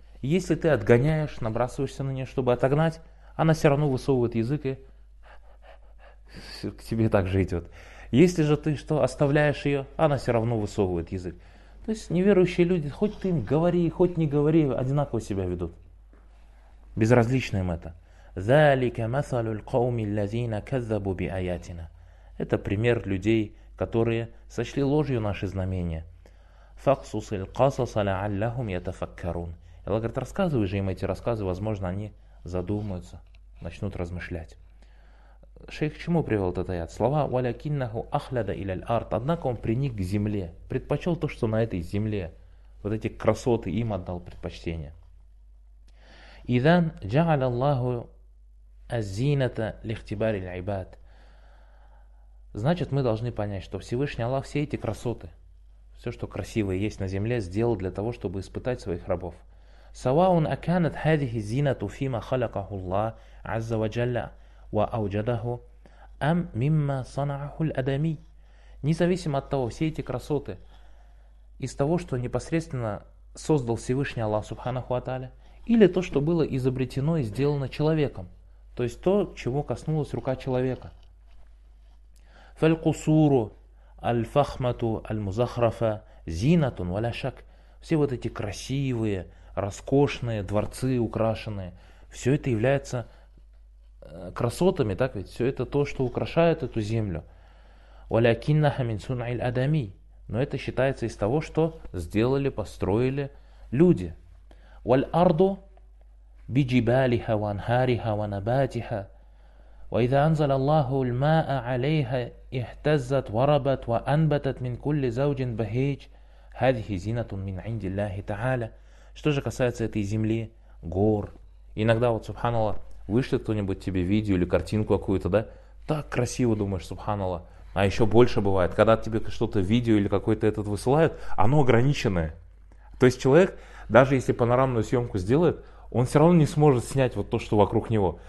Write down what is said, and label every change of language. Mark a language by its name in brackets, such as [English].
[Russian] Если ты отгоняешь, набрасываешься на нее, чтобы отогнать, она все равно высовывает язык и к тебе так же идет. Если же ты что, оставляешь ее, она все равно высовывает язык. То есть неверующие люди, хоть ты им говори, хоть не говори, одинаково себя ведут. Безразлично им это. [Arabic] ذلك مثل القوم الذين كذبوا بآياتنا. [Russian] Это пример людей, которые сочли ложью наши знамения. [Arabic] فقصص القصص لعلهم يتفكرون. [Russian] Аллах говорит, рассказывай же им эти рассказы, возможно, они задумаются, начнут размышлять. Шейх к чему привел этот аят? Слова [Arabic] ولكنه أخلد إلى الأرض. [Russian] Однако он приник к земле, предпочел то, что на этой земле. Вот эти красоты им отдал предпочтение. [Arabic] إذن جعل الله الزينه لاختبار العباد. [Russian] Значит, мы должны понять, что Всевышний Аллах все эти красоты, все, что красивое есть на земле, сделал для того, чтобы испытать своих рабов. [Arabic] سواءٌ أكانت هذه الزينة فيما خلقه الله عز وجل وأوجده أم مما صنعه الآدمي. [Russian] Независимо от того, все эти красоты из того, что непосредственно создал Всевышний Аллах Субханаху ва Тааля, или то, что было изобретено и сделано человеком. То есть то, чего коснулась рука человека. [Arabic] فَالْقُسُورُ الْفَخْمَةُ الْمُزَخْرَفَ زِينَةٌ وَلَا شَكْ. [Russian] Все вот эти красивые, роскошные дворцы украшенные, все это является красотами, так ведь? Все это то, что украшает эту землю. [Arabic] وَلَكِنَّهَ مِنْ سُنْعِ الْأَدَمِي. [Russian] Но это считается из того, что сделали, построили люди. [Arabic] وَالْأَرْضُ بجبالها وانهارها ونباتها وإذا أنزل الله الماء عليها اهتزت وربت وأنبتت من كل زوج بهيج هذه زينة من عند الله تعالى. [Russian] Что же касается этой земли, гор. Иногда вот, субханаллах, вышлет кто-нибудь тебе видео или картинку какую-то, да? Так красиво думаешь, субханаллах. А еще больше бывает, когда тебе что-то видео или какой-то этот высылают, оно ограниченное. То есть человек, даже если панорамную съемку сделает, он все равно не сможет снять вот то, что вокруг него.